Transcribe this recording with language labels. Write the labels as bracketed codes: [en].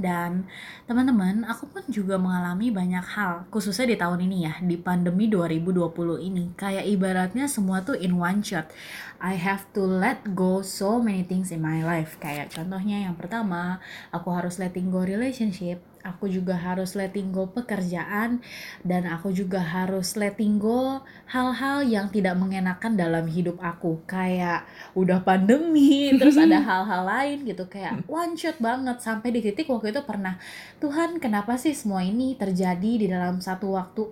[id] Dan teman-teman, aku pun juga mengalami banyak hal, khususnya di tahun ini ya, di pandemi 2020 ini. Kayak ibaratnya semua tuh [en] in one shot. I have to let go so many things in my life. [id] Kayak contohnya yang pertama, aku harus [en] letting go relationship. [id] Aku juga harus letting go pekerjaan, dan aku juga harus letting go hal-hal yang tidak mengenakan dalam hidup aku. Kayak udah pandemi, terus ada hal-hal lain gitu, kayak [en] one shot [id] banget. Sampai di titik waktu itu pernah, Tuhan kenapa sih semua ini terjadi di dalam satu waktu?